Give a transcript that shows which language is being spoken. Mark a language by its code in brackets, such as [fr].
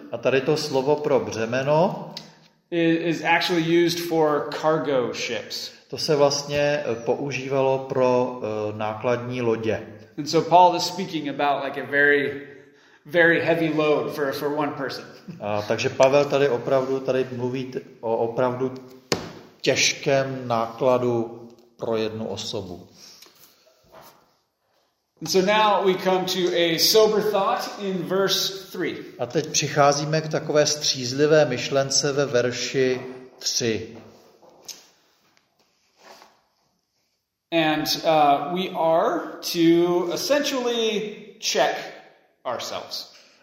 [cs] A tady to slovo pro břemeno [en] is actually used for cargo ships. [cs] To se vlastně používalo pro nákladní lodě. [en] And so Paul is speaking about like a very very heavy load for one person. [cs] A takže Pavel tady mluví o opravdu těžkém nákladu pro jednu osobu. [en] And so now we come to a sober thought in verse 3. [cs] A teď přicházíme k takové střízlivé myšlence ve verši 3. [en] And we are to essentially check ourselves.